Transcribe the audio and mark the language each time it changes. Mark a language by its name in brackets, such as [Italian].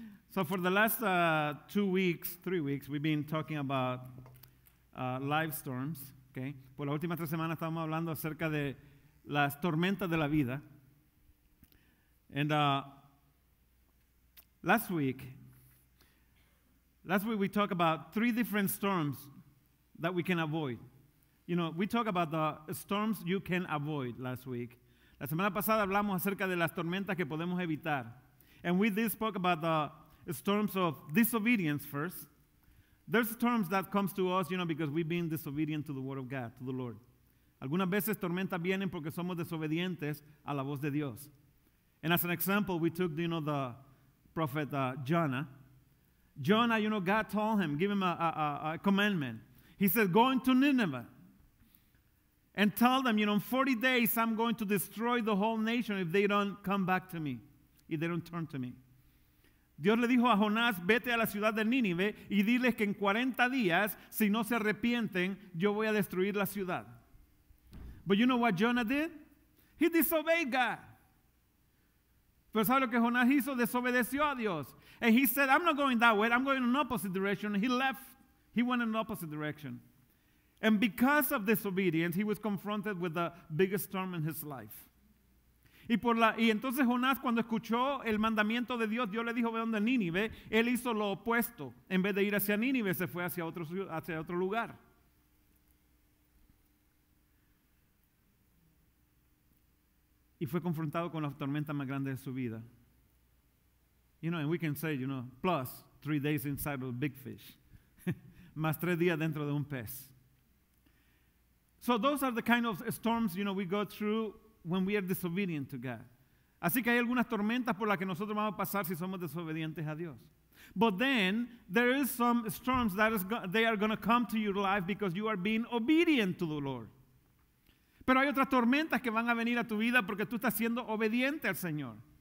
[English] So for the last 3 weeks, we've been talking about live storms. Okay. [Spanish] Por las últimas 3 semanas estábamos hablando acerca de las tormentas de la vida. [English] And last week we talked about 3 different storms that we can avoid. You know, we talked about the storms you can avoid last week. [Spanish] La semana pasada hablamos acerca de las tormentas que podemos evitar. [English] And we did spoke about the storms of disobedience first. There's storms that comes to us, you know, because we've been disobedient to the word of God, to the Lord. [Spanish] Algunas veces tormentas vienen porque somos desobedientes a la voz de Dios. [English] And as an example, we took, you know, the prophet Jonah. Jonah, you know, God told him, give him a commandment. He said, go into Nineveh and tell them, you know, in 40 days I'm going to destroy the whole nation if they don't come back to me, if they don't turn to me. [Spanish] Dios le dijo a Jonás, vete a la ciudad de Nínive y diles que en 40 días, si no se arrepienten, yo voy a destruir la ciudad. [English] But you know what Jonah did? He disobeyed God. [Spanish] Pero ¿sabe lo que Jonás hizo? Desobedeció a Dios. [English] And he said, I'm not going that way. I'm going in an opposite direction. He left. He went in an opposite direction. And because of disobedience, he was confronted with the biggest storm in his life. [Spanish] Y entonces Jonás, cuando escuchó el mandamiento de Dios, Dios le dijo, ve donde Nínive, él hizo lo opuesto. En vez de ir hacia Nínive, se fue hacia otro lugar. Y fue confrontado con la tormenta más grande de su vida. [English] You know, and we can say, you know, plus 3 days inside of a big fish. [Spanish] Más 3 días dentro de un pez. [English] So those are the kind of storms, you know, we go through when we are disobedient to God. [Spanish] Así que hay algunas tormentas por las que nosotros vamos a pasar si somos desobedientes a Dios. [English] But then, there is some storms that they are going to come to your life because you are being obedient to the Lord. [Spanish] Pero hay otras tormentas que van a venir a tu vida porque tú estás siendo obediente al Señor.